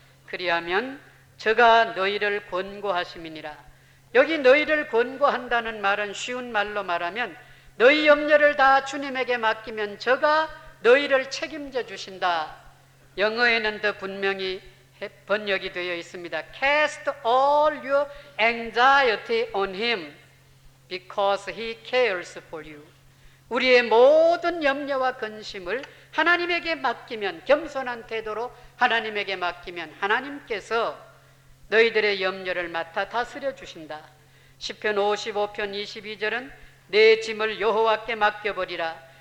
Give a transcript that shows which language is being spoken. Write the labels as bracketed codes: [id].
[ko] 그리하면 저가 너희를 권고하심이니라. 여기 너희를 권고한다는 말은 쉬운 말로 말하면 너희 염려를 다 주님에게 맡기면 저가 너희를 책임져 주신다. 영어에는 더 분명히 번역이 되어 있습니다. [en] Cast all your anxiety on him because he cares for you. [ko] 우리의 모든 염려와 근심을 하나님에게 맡기면 겸손한 태도로 하나님에게 맡기면 하나님께서 너희들의 염려를 맡아 다스려 주신다. 시편 55편 22절은 내 짐을 여호와께 맡겨버리라.